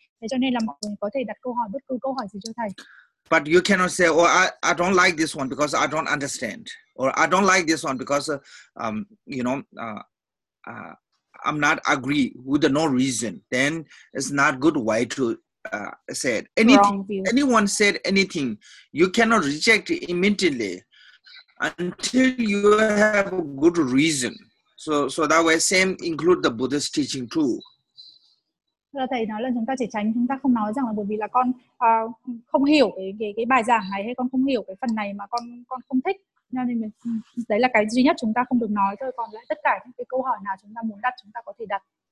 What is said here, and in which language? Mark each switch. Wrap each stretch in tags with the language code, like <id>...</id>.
<vi>Thế cho nên là mọi người có thể đặt câu hỏi, bất cứ câu hỏi gì cho thầy.</vi> <en>But you cannot say, oh, I don't like this one because I don't understand, or I don't like this one because I'm not agree with the no reason. Then it's not good way to said anything. Anyone said anything, you cannot reject it immediately until you have a good reason. So that way, same include the Buddhist teaching too.</en> <vi>Thầy nói là chúng ta chỉ tránh, chúng ta không nói rằng là bởi vì là con không hiểu cái bài giảng này, hay con không hiểu cái phần này mà con không thích. Nên đấy là cái duy nhất chúng ta không được nói thôi. Còn lại tất cả những cái câu hỏi nào chúng ta muốn đặt, chúng ta có thể đặt.</vi>